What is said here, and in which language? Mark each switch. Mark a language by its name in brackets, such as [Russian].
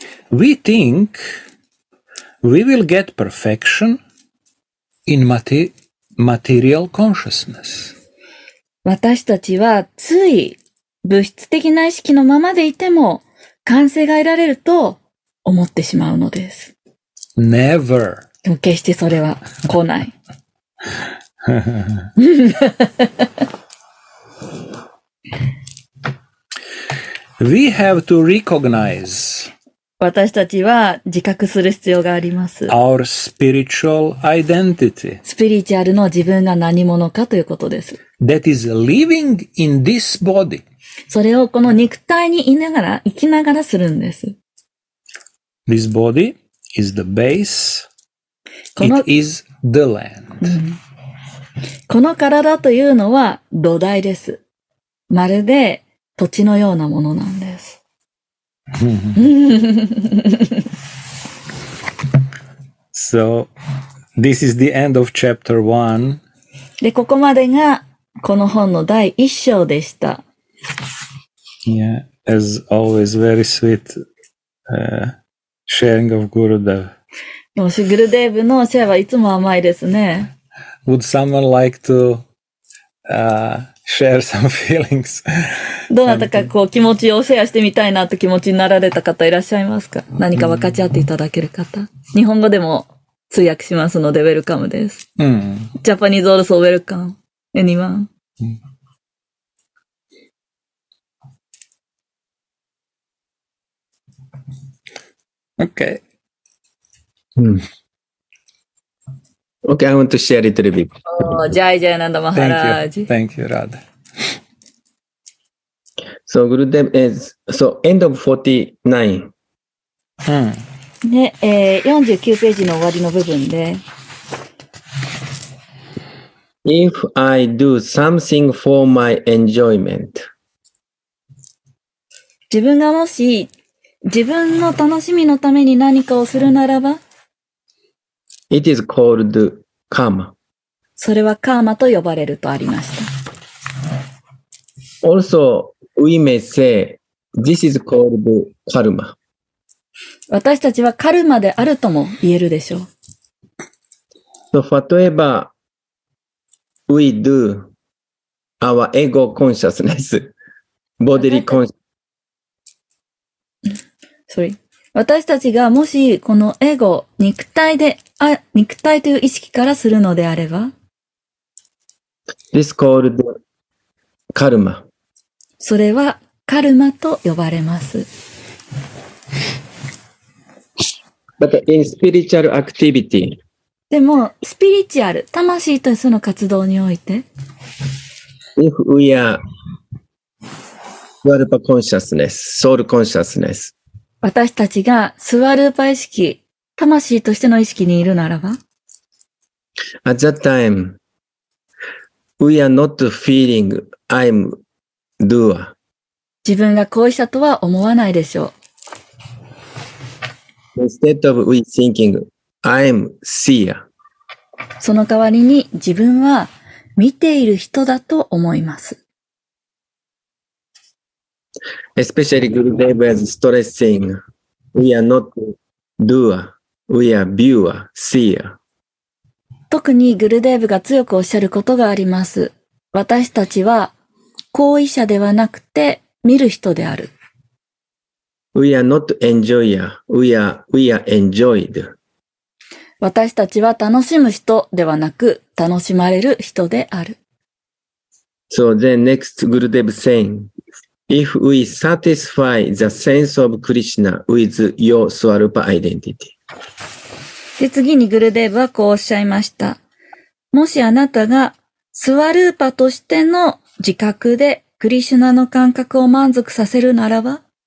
[English] We think we will get perfection in material consciousness. [Japanese] 私たちはつい物質的な意識のままでいても完成が得られると思ってしまうのです。 [English] Never. [Japanese] でも決してそれは来ない。 [English] We have to recognize [Japanese] 私たちは自覚する必要があります。 [English] Our spiritual identity. [Japanese] スピリチュアルの自分が何者かということです。 [English] That is living in this body. [Japanese] それをこの肉体にいながら、生きながらするんです。 [English] This body is the base. [Japanese] この、 [English] It is the land. うん、 [Japanese] この体というのは土台です。まるで土地のようなものなんです。 [English] So, this is the end of chapter one. [Japanese] で、ここまでがこの本の第一章でした。 [English] Yeah, as always, very sweet, sharing of Gurudev. [Japanese] もし、グルデーブのシェアはいつも甘いですね。 [English] Would someone like to, share some feelings? [Japanese] どなたかこう気持ちをシェアしてみたいなって気持ちになられた方いらっしゃいますか? 何か分かち合っていただける方?日本語でも通訳しますのでウェルカムです。うん。 [English] ジャパニーズオールソーウェルカム。 Anyone?、うん、 Okay. Okay, I want to share it a little bit. Oh, ジャイジャイナンダマハラージ。 Thank you, Radha. So Gurudev is so end of 49. [Japanese] ね、49ページの終わりの部分で。 [English] If I do something for my enjoyment. [Japanese] 自分がもし自分の楽しみのために何かをするならば、 [English] It is called karma. [Japanese] それはカーマと呼ばれるとありました。 [English] Also, we may say, this is called karma. [Japanese] 私たちはカルマであるとも言えるでしょう。 [English] So, [Japanese] 例えば、 [English] we do our ego consciousness, bodily consciousness. Sorry. [Japanese] 私たちがもしこのエゴ、肉体で、肉体という意識からするのであれば、 [English] This called karma. [Japanese] それはカルマと呼ばれます。 [English] But in spiritual activity. [Japanese] でも、スピリチュアル、魂としての活動において、 [English] If we are Svarupa consciousness, soul consciousness. [Japanese] 私たちがスワルーパ意識、魂としての意識にいるならば、 [English] At that time, we are not feeling I'm doer. [Japanese] 自分が行為者とは思わないでしょう。 [English] Instead of we thinking I'm seer. [Japanese] その代わりに自分は見ている人だと思います。 [English] Especially Gurudev is stressing, we are not doer, we are viewer, seer. [Japanese] 特にグルデーブが強くおっしゃることがあります。私たちは行為者ではなくて見る人である。 [English] We are not enjoyer, we are enjoyed. [Japanese] 私たちは楽しむ人ではなく楽しまれる人である。 [English] So then next Gurudev saying,If we satisfy the sense of Krishna with your Swarupa identity. [Japanese] で、次にグルデーブはこうおっしゃいました。もしあなたがスワルーパとしての自覚でクリシュナの感覚を満足させるならば、